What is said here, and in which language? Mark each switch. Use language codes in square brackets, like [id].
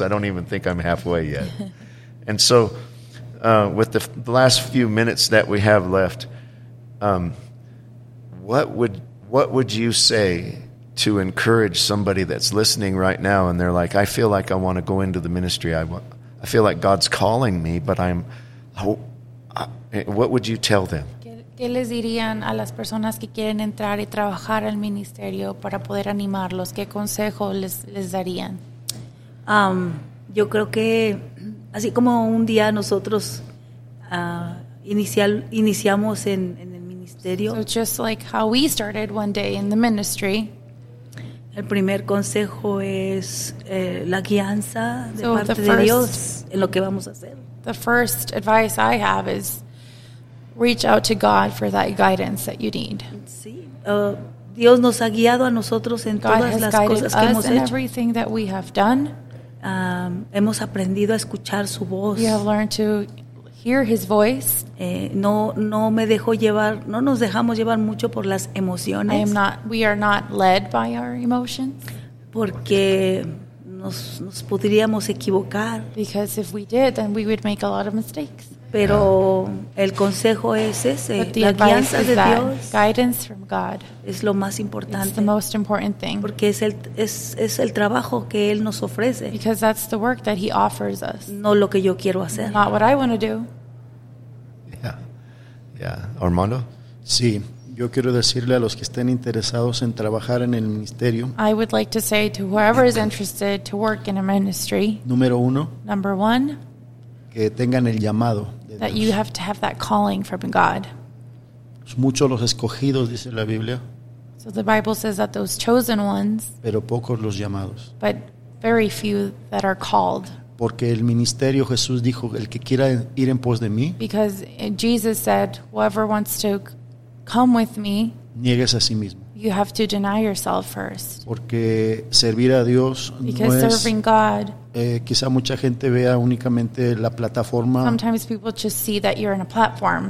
[en] I don't even think I'm halfway yet. And so with the last few minutes that we have left, what would you say to encourage somebody that's listening right now, and they're like, I feel like I want to go into the ministry. I feel like God's calling me, but what would you tell them? [es] ¿Qué les dirían a las personas que quieren entrar y trabajar al ministerio para poder animarlos? ¿Qué consejo les darían? Yo creo que, así como un día nosotros iniciamos en el ministerio. [en] So just like how we started one day in the ministry. [es] El primer consejo es la guianza de parte de Dios en lo que vamos a hacer. [en] The first advice I have is reach out to God for that guidance that you need. [es] Sí, Dios nos ha guiado a nosotros en [en] God [es] todas las cosas que hemos hecho. [en] In everything that we have done. [es] Hemos aprendido a escuchar su voz. [en] We have learned to hear his voice. [es] No me dejo llevar, no nos dejamos llevar mucho por las emociones. [en] We are not led by our emotions. [es] Porque nos podríamos equivocar. [en] Because if we did, then we would make a lot of mistakes. [es] Pero el consejo es ese, la guianza de Dios. [en] Guidance from God. [es] Es lo más importante. [en] It's the most important thing. [es] Porque es el trabajo que él nos ofrece. [en] Because that's the work that he offers us. [es] No lo que yo quiero hacer. [en] Not what I want to do. Yeah. Yeah. Armando? [es] Sí. Yo quiero decirle a los que estén interesados en trabajar en el ministerio. [en] I would like to say to whoever is interested to work in a ministry. [es] Número uno. [en] Number one. [es] Que tengan el llamado de [en] that [es] Dios. [en] You have to have that calling from God. [es] Muchos los escogidos, dice la Biblia. [en] So the Bible says that those chosen ones. [es] Pero pocos los llamados. [en] But very few that are called. [es] Porque el ministerio, Jesús dijo, el que quiera ir en pos de mí. [en] Because Jesus said, whoever wants to come with me. [es] Niegues a sí mismo. [en] You have to deny yourself first. [es] Porque servir a Dios [en] because [es] no es. [en] Serving God. [es] Quizá mucha gente vea únicamente la plataforma. [en] Sometimes people just see that you're in a platform.